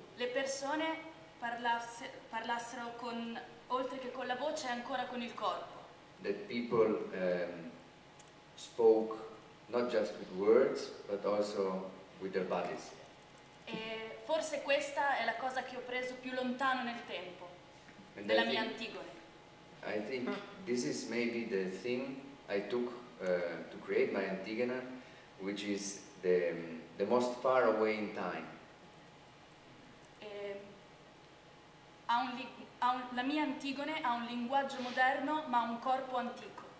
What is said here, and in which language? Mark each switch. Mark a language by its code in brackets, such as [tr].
[it] Le persone parlassero con, oltre che con la voce, ancora con il corpo. [en] That people spoke not just with words but also with their bodies. [it] E forse questa è la cosa che ho preso più lontano nel tempo [en] and [it] della mia Antigone. [en] I think this is maybe the thing I took to create my Antigone, which is the most far away in time. [it] La mia Antigone ha un linguaggio moderno ma un corpo antico.